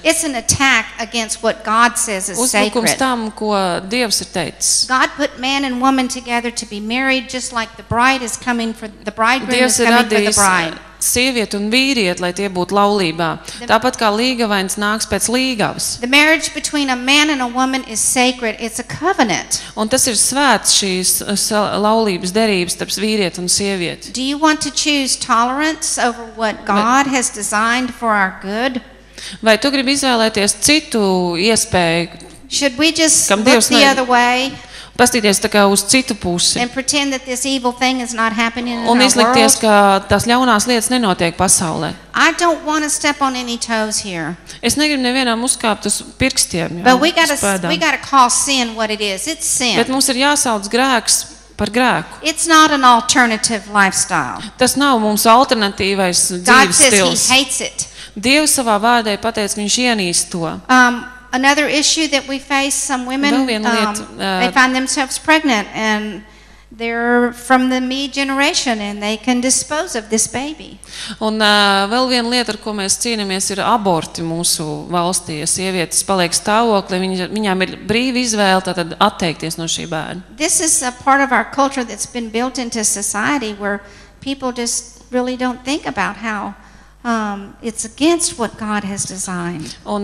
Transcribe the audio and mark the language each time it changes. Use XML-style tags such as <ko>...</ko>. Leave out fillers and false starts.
<en>It's an attack against what God says is</en> <lv>uzbrukums Uzbrukums tam, ko Dievs ir teicis.</lv> <en>God put man and woman together to be married just like the bride is coming for the bridegroom</en> <lv>Dievs</lv> <en>is coming for the bride.</en> <lv>Sievieti un vīrieti, lai tie būtu laulībā. Tāpat kā līgavains nāks pēc līgavas.</lv> <en>The marriage between a man and a woman is sacred. It's a covenant.</en> <lv>Un tas ir svēts, šīs laulības derības starp vīrieti un sievieti.</lv> <en>Do you want to choose tolerance over what God has designed for our good?</en> <lv>Vai tu gribi izvēlēties citu iespēju</lv> <en>Should we just look the other way?</en> <lv>Pastīties tā kā uz citu pusi.</lv> <en>And pretend that this evil thing is not happening in our world.</en> <lv>Un izlikties, ka tās ļaunās lietas nenotiek pasaulē.</lv> <en>I don't want to step on any toes here.</en> <lv>Es negribu nevienam uzkāpt uz pirkstiem, jo.</lv> <en>But we gotta call sin what it is. It's sin.</en> <lv>Bet mums ir jāsauc grēks par grēku.</lv> <en>It's not an alternative lifestyle.</en> <lv>Tas nav mums alternatīvais dzīves stils.</lv> <en>God says he hates it.</en> <lv>Dievs savā vārdē pateic, viņš ienīst to.</lv> <en>Another issue that we face, some women, they find themselves pregnant and they're from the me generation and they can dispose of this baby.</en> <lv>Un vēl viena lieta, ar ko mēs cīnāmies, ir aborti mūsu valstī. Sievietes paliek stāvoklī, viņām ir brīva izvēle tātad atteikties no šī bērna.</lv> <en>This is a part of our culture that's been built into society where people just really don't think about how it's against what God has designed.</en>